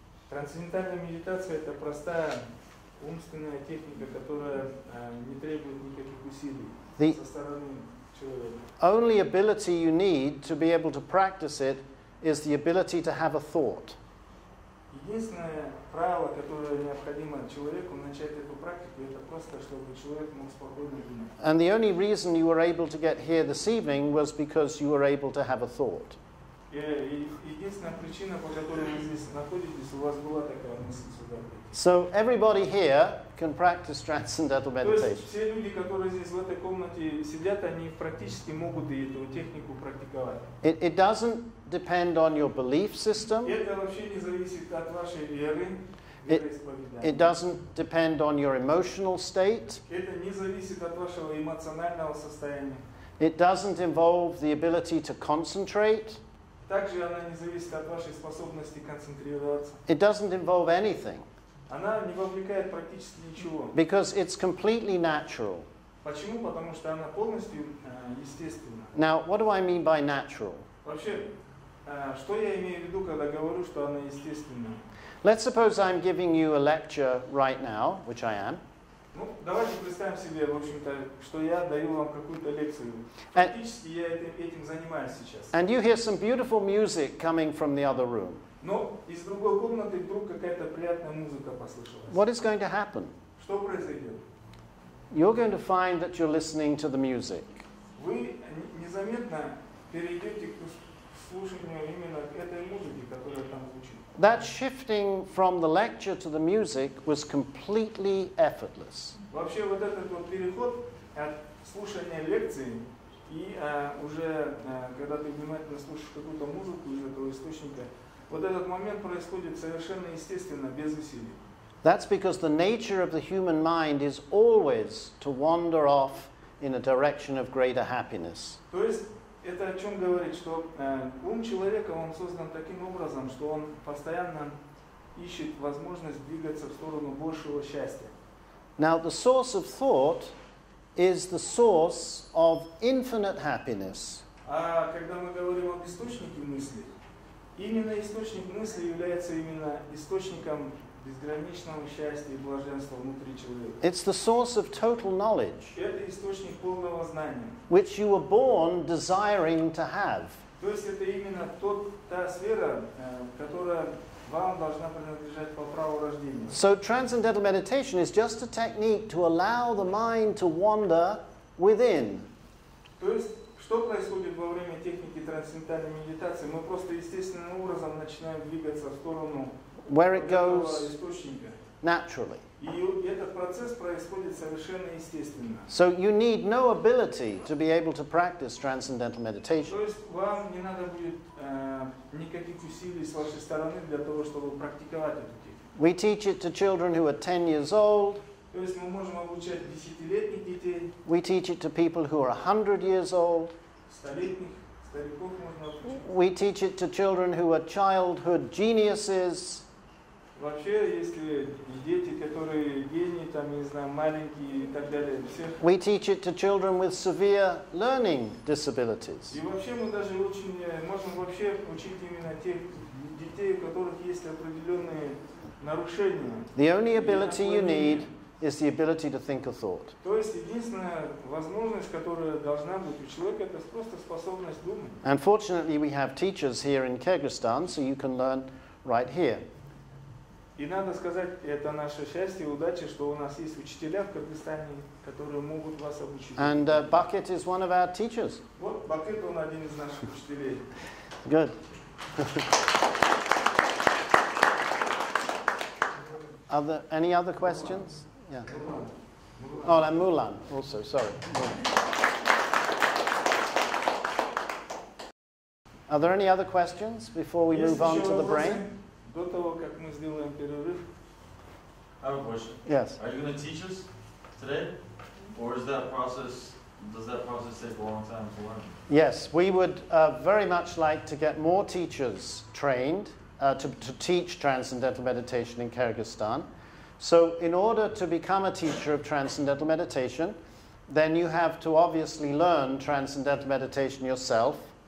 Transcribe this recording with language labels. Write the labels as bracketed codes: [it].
[ru] Трансцендентальная медитация — это простая умственная техника, которая не требует никаких усилий со стороны. [en] The only ability you need to be able to practice it is the ability to have a thought. [ru] Единственное правило, которое необходимо человеку начать эту практику, это просто, чтобы человек мог спокойно думать. [en] And the only reason you were able to get here this evening was because you were able to have a thought. [ru] Единственная причина, по которой вы здесь находитесь, у вас была такая мысль сюда. [en] So everybody here can practice transcendental meditation. [ru] То есть все люди, которые здесь в этой комнате сидят, они практически могут эту технику практиковать. [en] It doesn't depend on your belief system. [ru] Это вообще не зависит от вашей веры, вероисповедания. [en] It doesn't depend on your emotional state. [ru] Это не зависит от вашего эмоционального состояния. [en] It doesn't involve the ability to concentrate. [ru] Также она не зависит от вашей способности концентрироваться. [en] It doesn't involve anything. [ru] Она не вовлекает практически ничего. [en] Because it's completely natural. [ru] Почему? Потому что она полностью естественна. [en] Now, what do I mean by natural? [ru] Вообще, что я имею в виду, когда говорю, что она естественна? [en] Let's suppose I'm giving you a lecture right now, which I am. [ru] Ну, давайте представим себе, в общем-то, что я даю вам какую-то лекцию. Фактически я этим занимаюсь сейчас. [en] And you hear some beautiful music coming from the other room. [ru] Но из другой комнаты вдруг какая-то приятная музыка послышалась. [en] What is going to happen? [ru] Что произойдет? [en] You're going to find that you're listening to the music. [ru] Вы незаметно перейдете к слушанию именно этой музыки, которая там звучит. [en] That shifting from the lecture to the music was completely effortless. [ru] Вообще вот этот вот переход от слушания лекции и уже когда ты внимательно слушаешь какую-то музыку из этого источника, вот этот момент происходит совершенно естественно, без усилий. [en] That's because the nature of the human mind is always to wander off in a direction of greater happiness. [ru] То есть это о чем говорит, что ум человека он создан таким образом, что он постоянно ищет возможность двигаться в сторону большего счастья. [en] Now the source of thought is the source of infinite happiness. [ru] А когда мы говорим об источнике мысли, именно источник мысли является именно источником безграничного счастья и блаженства внутри человека. [en] It's the source of total knowledge. [ru] Это источник полного знания. [en] Which you were born desiring to have. [ru] То есть это именно та сфера, которая вам должна принадлежать по праву рождения. [en] So transcendental meditation is just a technique to allow the mind to wander within. [ru] То есть что происходит во время техники трансцендентальной медитации? Мы просто естественным образом начинаем двигаться в сторону [en] where it goes naturally. [ru] И этот процесс происходит совершенно естественно. [en] So you need no ability to be able to practice transcendental meditation. [ru] То есть вам не надо будет никаких усилий с вашей стороны для того, чтобы практиковать эту технику. [en] We teach it to children who are 10 years old. [ru] То есть мы можем обучать 10-летних детей. [en] We teach it to people who are 100 years old. [ru] Стариков можно обучать. [en] We teach it to children who are childhood geniuses. [ru] Вообще, если дети, которые гении, там, не знаю, маленькие и так далее, всех. [en] We teach it to children with severe learning disabilities. [ru] И вообще мы даже очень можем вообще учить именно тех детей, у которых есть определенные нарушения. [en] The only ability you need is the ability to think a thought. [ru] То есть единственная возможность, которая должна быть у человека, это просто способность думать. [en] Unfortunately, we have teachers here in Kyrgyzstan, so you can learn right here. [ru] И надо сказать, это наше счастье и удача, что у нас есть учителя в Кыргызстане, которые могут вас обучить. [en] And Bucket is one of our teachers. [ru] Вот Bucket, он один из наших учителей. [en] Good. Any other questions? Yeah. Oh, and Mulan also. Sorry. Are there any other questions before we move on to the brain? [ru] До того, как мы сделаем перерыв. [en] I have a question. Yes. Are you going to teach us today? Or is that process, does that process take a long time to learn? Yes, we would very much like to get more teachers trained to teach transcendental meditation in Kyrgyzstan. So in order to become a teacher of transcendental meditation, then you have to obviously learn transcendental meditation yourself.